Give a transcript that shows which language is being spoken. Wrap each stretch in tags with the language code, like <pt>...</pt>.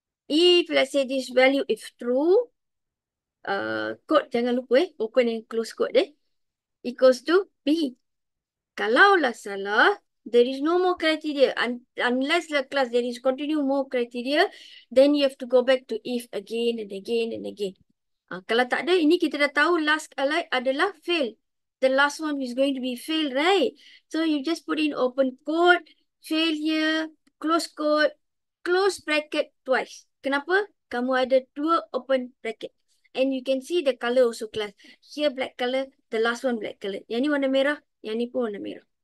<en>If let's say this value is true, code</en> <ms>jangan lupa eh,</ms> <en>open and close code eh, equals to B.</en> <ms>Kalaulah salah,</ms> <en>there is no more criteria, unless the class there is continue more criteria, then you have to go back to if again and again and again.</en> <ms>Kalau tak ada, ini kita dah tahu last ally adalah fail.</ms> <en>The last one is going to be fail, right? So you just put in open quote, failure, close quote, close bracket twice.</en> <ms>Kenapa? Kamu ada dua open bracket.</ms> <en>And you can see the color also class. Here black color, the last one black color.</en> <ms>Yang ni warna merah, yang ni pun warna merah.</ms>